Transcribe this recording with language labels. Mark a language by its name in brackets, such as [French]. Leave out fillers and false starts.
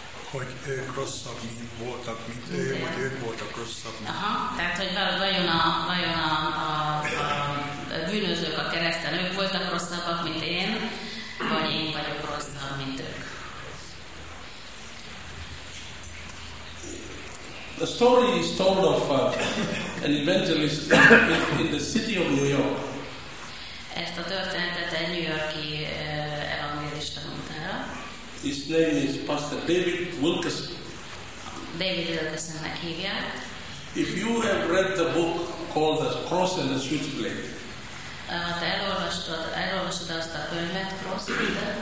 [Hungarian] hogy ők rosszabb voltak, mint ő, vagy ők voltak rosszabb. Aha, tehát, hogy vajon a bűnözők a kereszten, ők voltak rosszabbak, mint én, vagy én vagyok rosszabb, mint ők. [English] The story is told of an evangelist in the city of New York. [Hungarian] Ezt a történetet egy New Yorki evangélista mondta. [English] His name is Pastor David Wilkerson. [Hungarian] David Wilkerson-nek hívják. [English] If you have read the book called The Cross and the Switchblade. [Hungarian] Te elolvastad azt a könyvet, Cross and the